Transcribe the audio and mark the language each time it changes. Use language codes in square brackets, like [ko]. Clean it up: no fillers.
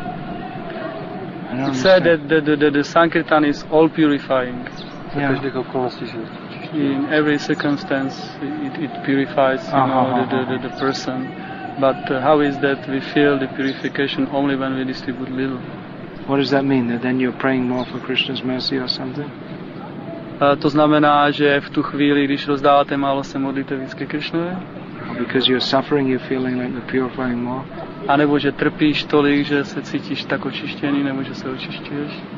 [en] It said that the Sankirtan is all purifying. Yeah. In every circumstance, it purifies, you know, the person. But how is that we feel the purification only when we distribute little? What does that mean? That then you're praying more for Krishna's mercy or something? [cs] To znamená, že v tu chvíli, když rozdáváte málo, se modlíte víc ke Krishnovi? [en] Because you're suffering, you're feeling like you're purifying more? [cs] A nebo že trpíš tolik, že se cítíš tak očištěný, nebo že se očišťuješ?